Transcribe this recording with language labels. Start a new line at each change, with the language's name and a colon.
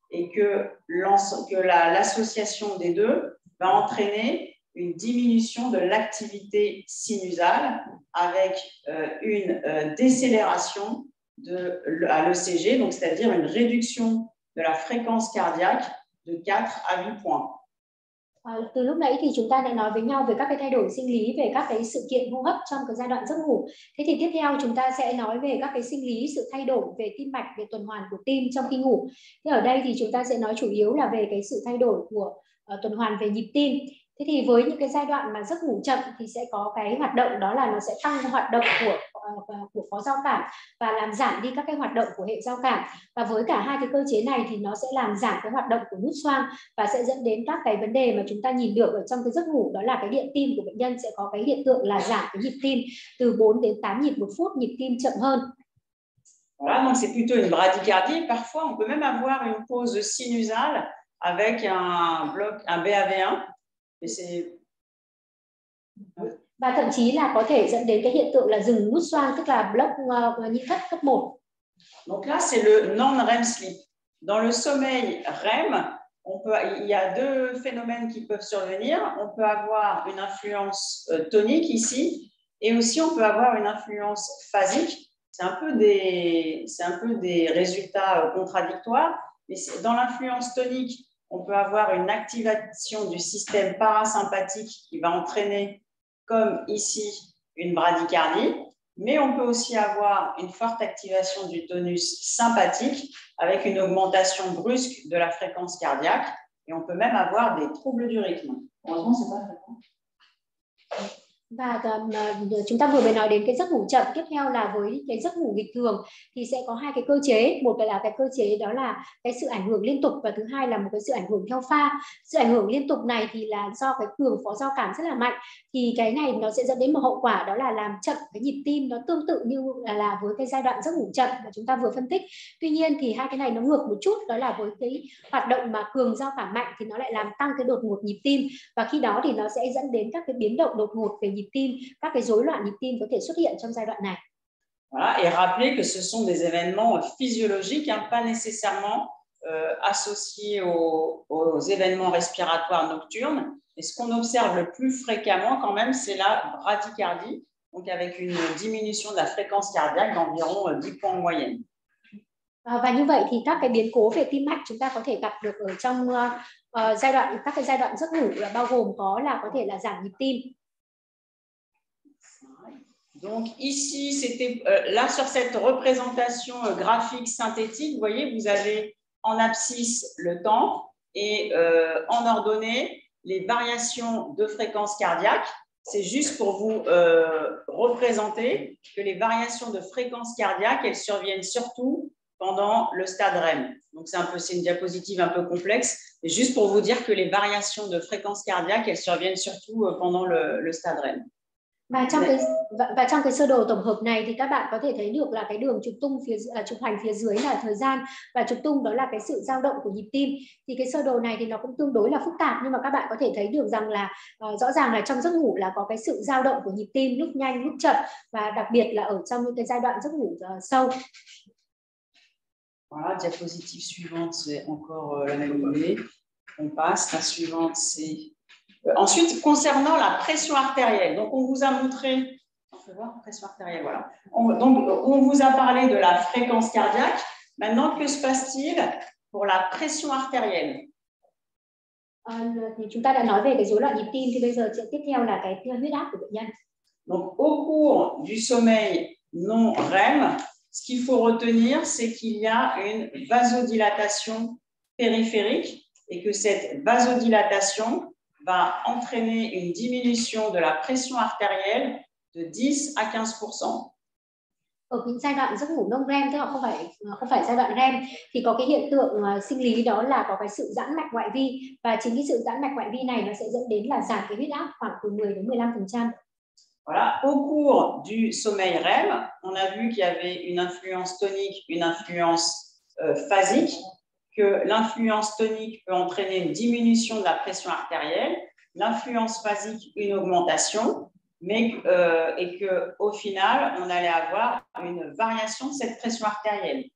French: Et que l'association des deux va entraîner une diminution de l'activité sinusale avec une décélération à l'ECG, donc c'est-à-dire une réduction de la fréquence cardiaque de 4 à 8 points.
Vietnamese: Từ lúc nãy thì chúng ta đã nói với nhau về các cái thay đổi sinh lý, về các cái sự kiện hô hấp trong cái giai đoạn giấc ngủ. Thế thì tiếp theo chúng ta sẽ nói về các cái sinh lý, sự thay đổi về tim mạch, về tuần hoàn của tim trong khi ngủ. Thế ở đây thì chúng ta sẽ nói chủ yếu là về cái sự thay đổi của tuần hoàn về nhịp tim. Thế thì với những cái giai đoạn mà giấc ngủ chậm thì sẽ có cái hoạt động đó là nó sẽ tăng hoạt động của phó giao cảm và làm giảm đi các cái hoạt động của hệ giao cảm. Và với cả hai cái cơ chế này thì nó sẽ làm giảm cái hoạt động của nút xoang và sẽ dẫn đến các cái vấn đề mà chúng ta nhìn được ở trong cái giấc ngủ, đó là cái điện tim của bệnh nhân sẽ có cái hiện tượng là giảm cái nhịp tim từ 4 đến 8 nhịp một phút, nhịp tim chậm hơn.
French: Voilà, donc c'est plutôt une bradycardie. Parfois on peut même avoir une pause sinusale avec un bloc, un BAV1.
Vietnamese: Và thậm chí là có thể dẫn đến cái hiện tượng là dừng nút xoang, tức là block nhịp thất cấp 1.
French: Donc là c'est le
English: non REM sleep.
French: Dans le sommeil REM, il y a deux phénomènes qui peuvent survenir. On peut avoir une influence tonique ici et aussi on peut avoir une influence phasique. C'est un peu des résultats contradictoires, mais dans l'influence tonique, on peut avoir une activation du système parasympathique qui va entraîner, comme ici, une bradycardie. Mais on peut aussi avoir une forte activation du tonus sympathique avec une augmentation brusque de la fréquence cardiaque. Et on peut même avoir des troubles du rythme. Heureusement, ce n'est pas fréquent.
Vietnamese: Và chúng ta vừa mới nói đến cái giấc ngủ chậm, tiếp theo là với cái giấc ngủ bình thường thì sẽ có hai cái cơ chế. Một là cái cơ chế đó là cái sự ảnh hưởng liên tục, và thứ hai là một cái sự ảnh hưởng theo pha. Sự ảnh hưởng liên tục này thì là do cái cường phó giao cảm rất là mạnh, thì cái này nó sẽ dẫn đến một hậu quả đó là làm chậm cái nhịp tim, nó tương tự như là với cái giai đoạn giấc ngủ chậm mà chúng ta vừa phân tích. Tuy nhiên thì hai cái này nó ngược một chút, đó là với cái hoạt động mà cường giao cảm mạnh thì nó lại làm tăng cái đột ngột nhịp tim, và khi đó thì nó sẽ dẫn đến các cái biến động đột ngột về nhịp tim, các cái rối loạn nhịp tim có thể xuất hiện trong giai đoạn này.
French: Voilà, et rappeler que ce sont des événements physiologiques, hein, pas nécessairement associés aux événements respiratoires nocturnes. Et ce qu'on observe le plus fréquemment quand même, c'est la bradycardie, donc avec une diminution de la fréquence cardiaque d'environ 10 points en moyenne.
Vietnamese: Và như vậy thì các cái biến cố về tim mạch chúng ta có thể gặp được ở trong giai đoạn, các cái giai đoạn giấc ngủ là bao gồm có là có thể là giảm nhịp tim.
French: Donc ici, c'était là sur cette représentation graphique synthétique, vous voyez, vous avez en abscisse le temps et en ordonnée les variations de fréquence cardiaque. C'est juste pour vous représenter que les variations de fréquence cardiaque, elles surviennent surtout pendant le stade REM. Donc c'est un peu, c'est une diapositive un peu complexe, mais juste pour vous dire que les variations de fréquence cardiaque, elles surviennent surtout pendant le stade REM.
Vietnamese: Và trong cái sơ đồ tổng hợp này thì các bạn có thể thấy được là cái đường trục tung phía trục hoành phía dưới là thời gian, và trục tung đó là cái sự dao động của nhịp tim. Thì cái sơ đồ này thì nó cũng tương đối là phức tạp, nhưng mà các bạn có thể thấy được rằng là rõ ràng là trong giấc ngủ là có cái sự dao động của nhịp tim lúc nhanh lúc chậm, và đặc biệt là ở trong những cái giai đoạn giấc ngủ sâu.
French: Voilà, diapositive suivante, c'est encore la même idée. On passe, la suivante c'est... Ensuite, concernant la pression artérielle, donc on vous a montré, on peut voir la pression artérielle, voilà. Donc on vous a parlé de la fréquence cardiaque. Maintenant, que se passe-t-il pour la pression artérielle?
Vietnamese: Chúng ta đã nói về cái rối loạn nhịp tim, thì bây giờ tiếp theo là cái huyết áp của bệnh nhân.
French: Donc au cours du sommeil non REM, ce qu'il faut retenir, c'est qu'il y a une vasodilatation périphérique et que cette vasodilatation va entraîner une diminution de la pression artérielle de 10 à 15%.
Vietnamese: Ở cái giai đoạn giấc ngủ non REM, tức là không phải giai đoạn REM, thì có cái hiện tượng sinh lý đó là có cái sự giãn mạch ngoại vi, và chính cái sự giãn mạch ngoại vi này nó sẽ dẫn đến là giảm cái huyết áp khoảng từ 10 đến 15%.
French: Voilà, au cours du sommeil REM, on a vu qu'il y avait une influence tonique, une influence phasique. Que l'influence tonique peut entraîner une diminution de la pression artérielle, l'influence phasique une augmentation, mais et que au final on allait avoir une variation de cette pression artérielle.